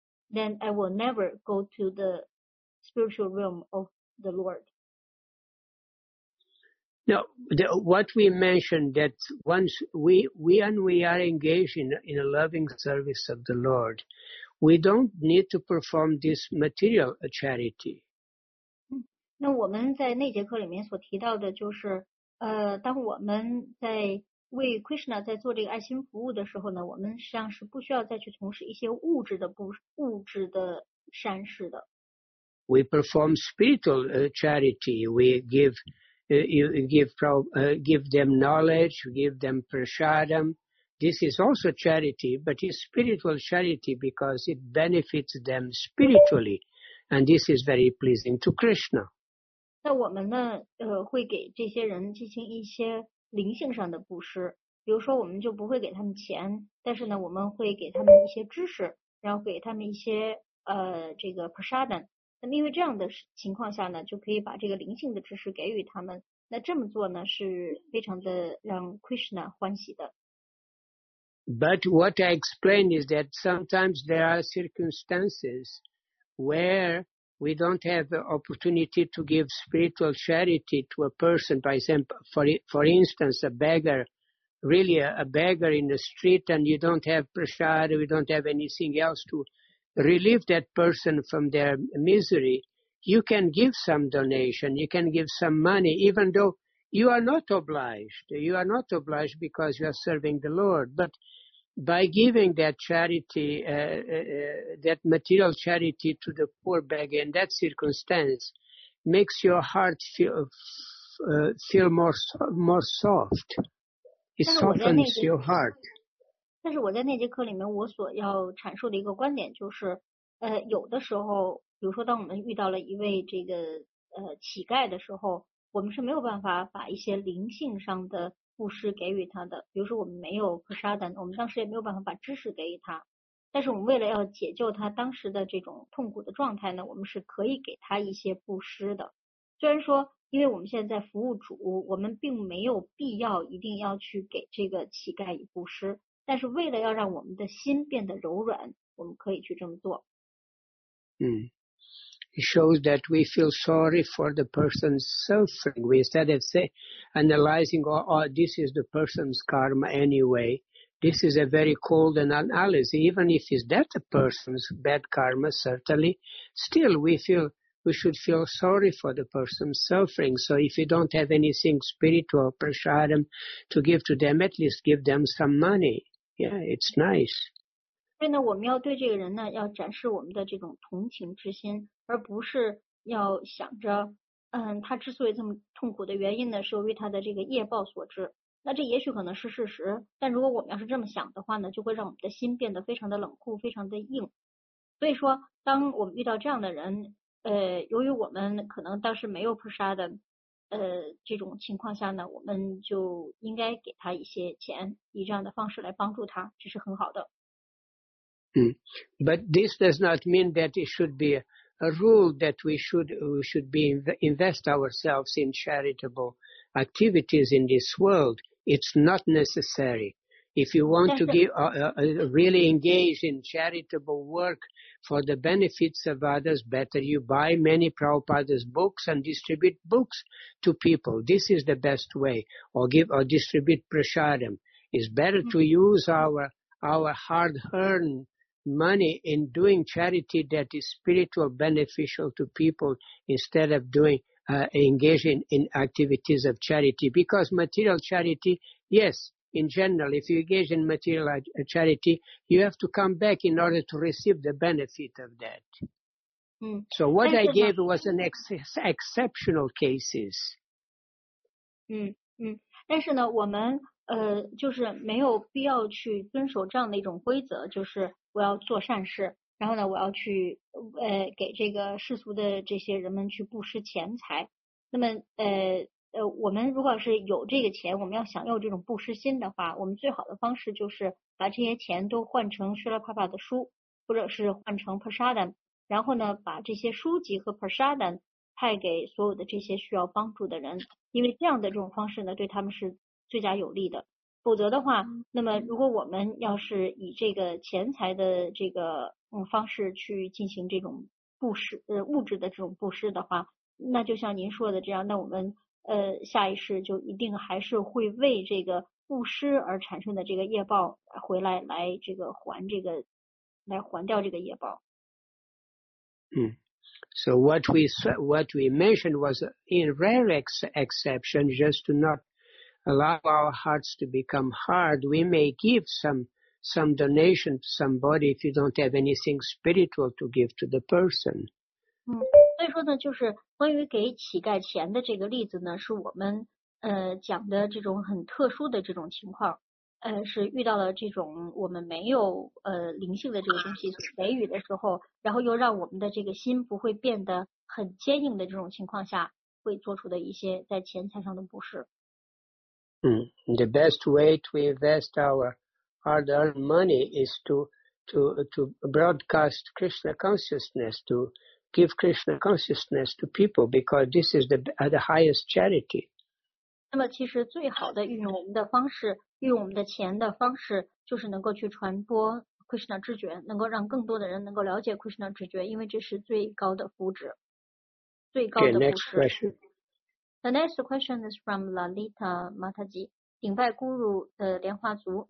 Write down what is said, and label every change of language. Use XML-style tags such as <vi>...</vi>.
<en>Then I will never go to the spiritual realm of the Lord. Now, what we mentioned that once we are engaged in a loving service of the Lord.We don't need to perform this material charity.</en> <zh>那我们在那节课里面所提到的就是当我们在为 Krishna 在做这个爱心服务的时候呢，我们实际上是不需要再去从事一些物质的善事的。</zh> <en>We perform spiritual charity. We give them knowledge, give them prasadam. This is also charity, but it's spiritual charity because it benefits them spiritually, and this is very pleasing to Krishna.</en> <zh>那我们呢？会给这些人进行一些灵性上的布施，比如说我们就不会给他们钱，但是呢，我们会给他们一些知识，然后给他们一些这个 prasadam。那么因为这样的情况下呢，就可以把这个灵性的知识给予他们。那这么做呢，是非常的让 Krishna 欢喜的。</zh> <en>But what I explain is that sometimes there are circumstances where we don't have the opportunity to give spiritual charity to a person. By example, for instance, a beggar, really a beggar in the street, and you don't have prasad, we don't have anything else to relieve that person from their misery, you can give some donation, you can give some money, even though you are not obliged. You are not obliged because you are serving the Lord. But by giving that charity, that material charity to the poor beggar in that circumstance, makes your heart feel more soft. It softens your heart.</en> <zh>但是我在那节课里面我所要阐述的一个观点就是有的时候比如说当我们遇到了一位这个乞丐的时候，我们是没有办法把一些灵性上的布施给予他的，比如说我们没有布沙丹，我们当时也没有办法把知识给予他，但是我们为了要解救他当时的这种痛苦的状态呢，我们是可以给他一些布施的。虽然说因为我们现在服务主，我们并没有必要一定要去给这个乞丐以布施，但是为了要让我们的心变得柔软，我们可以去这么做。</zh> <en>It shows that we feel sorry for the person's suffering. We instead of analyzing, oh, this is the person's karma anyway. This is a very cold analysis. Even if is that a person's bad karma, certainly, still we should feel sorry for the person suffering. So if you don't have anything spiritual, prasadam, to give to them, at least give them some money. Yeah, it's nice.</en> <zh>所以呢，我们要对这个人呢，要展示我们的这种同情之心，而不是要想着，他之所以这么痛苦的原因呢，是由于他的这个业报所致。那这也许可能是事实，但如果我们要是这么想的话呢，就会让我们的心变得非常的冷酷，非常的硬。所以说，当我们遇到这样的人，由于我们可能当时没有菩萨的。这种情况下呢，我们就应该给他一些钱，以这样的方式来帮助他，这是很好的。</zh> <en>But this does not mean that it should be a rule that we should be invest ourselves in charitable activities in this world. It's not necessary. If you want to give really engage in charitable work for the benefits of others, better you buy many Prabhupada's books and distribute books to people. This is the best way. Or distribute prasadam. It's better to use our hard-earned money in doing charity that is spiritual beneficial to people instead of engaging in activities of charity. Because material charity, yes. In general, if you engage in material charity, you have to come back in order to receive the benefit of that. So what I gave was an exceptional cases.</en> <zh>但是呢，我们就是没有必要去遵守这样的一种规则，就是我要做善事，然后呢，我要去给这个世俗的这些人们去布施钱财。那么我们如果是有这个钱，我们要想要这种布施心的话，我们最好的方式就是把这些钱都换成Śrīla Prabhupāda的书，或者是换成 prasadam， 然后呢，把这些书籍和 prasadam 派给所有的这些需要帮助的人，因为这样的这种方式呢，对他们是最佳有利的。否则的话，那么如果我们要是以这个钱财的这个方式去进行这种布施物质的这种布施的话，那就像您说的这样，那我们下一世就一定还是会为这个布施而产生的这个业报回来，来这个还这个，来还掉这个业报。</zh> <en>So what we mentioned was in rare exception, just to not allow our hearts to become hard, we may give some donation to somebody if you don't have anything spiritual to give to the person.</en> <zh>所以说呢，就是关于给乞丐钱的这个例子呢，是我们讲的这种很特殊的这种情况，是遇到了这种我们没有灵性的这个东西给予的时候，然后又让我们的这个心不会变得很坚硬的这种情况下，会做出的一些在钱财上的布施。</zh> <en>The best way to invest our hard earned money is to broadcast Krishna consciousness, to give Krishna consciousness to people, because this is the highest charity.</en> <zh>那么其实最好的运用我们的方式，运用我们的钱的方式，就是能够去传播 Krishna 知觉，能够让更多的人能够了解 Krishna 知觉，因为这是最高的福祉，最高的福祉。</zh> <en>Okay, next question. The next question is from Lalita Mataji,</en> <zh>顶拜咕噜的莲花族。</zh>